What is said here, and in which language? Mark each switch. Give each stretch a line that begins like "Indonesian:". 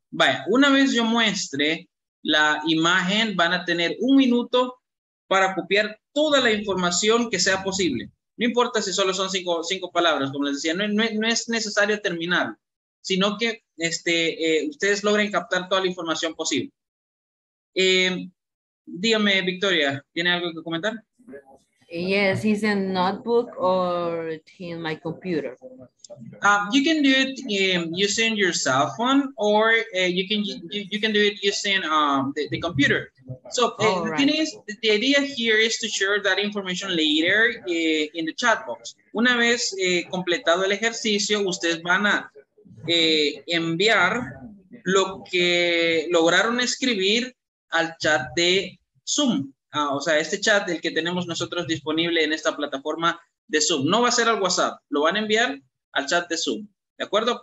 Spanish: Vaya, una vez yo muestre la imagen, van a tener un minuto para copiar toda la información que sea posible. No importa si solo son 5 palabras, como les decía, no es necesario terminar, sino que ustedes logren captar toda la información posible. Dígame, Victoria, ¿tiene algo que comentar?
English: Yes, it's a notebook or in my computer. You can do it using your cell phone, or you can do it using the computer. So the thing is, the idea here is to share that information later in the chat box.
Spanish: Una vez completado el ejercicio, ustedes van a enviar lo que lograron escribir al chat de Zoom. Este chat del que tenemos nosotros disponible en esta plataforma de Zoom. No va a ser al WhatsApp, lo van a enviar al chat de Zoom, ¿de acuerdo?